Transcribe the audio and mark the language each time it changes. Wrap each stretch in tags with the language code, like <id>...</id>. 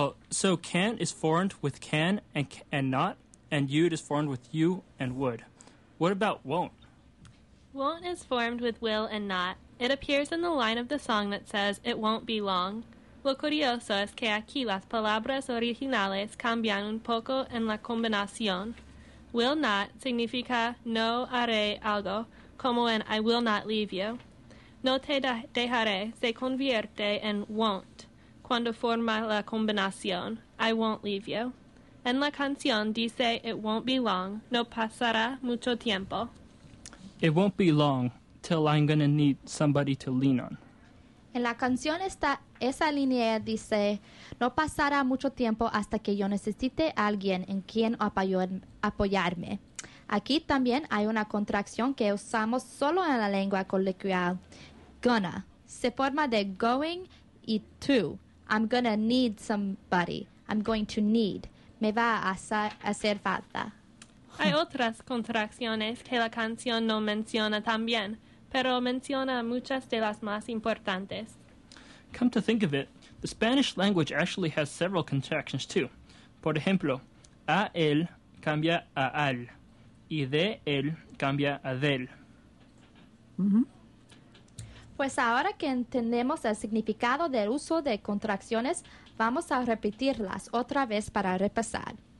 <en>So can't is formed with can and not, and you'd is formed with you and would. What about won't? Won't is formed with will and not. It appears in the line of the song that says, it won't be long.</en> <es>Lo curioso es que aquí las palabras originales cambian un poco en la combinación. Will not significa no haré algo, como en</es> <en>I will not leave you.</en> <es>No te dejaré se convierte en won't, cuando forma la combinación,</es> <en>I won't leave you.</en> <es>En la canción dice,</es> <en>it won't be long,</en> <es>no pasará mucho tiempo.</es> <en>It won't be long till I'm gonna need somebody to lean on.</en> <es>En la canción está esa línea dice, no pasará mucho tiempo hasta que yo necesite alguien en quien apoyarme. Aquí también hay una contracción que usamos solo en la lengua coloquial. Gonna. Se forma de going y to.</es> <en>I'm gonna need somebody. I'm going to need.</en> <es>Me va a hacer falta. Hay otras contracciones que la canción no menciona también, pero menciona muchas de las más importantes.</es> <en>Come to think of it, the Spanish language actually has several contractions too.</en> <es>Por ejemplo, a él cambia a al, y de él cambia a del. Mm-hmm. Pues ahora que entendemos el significado del uso de contracciones, vamos a repetirlas otra vez para repasar.</es>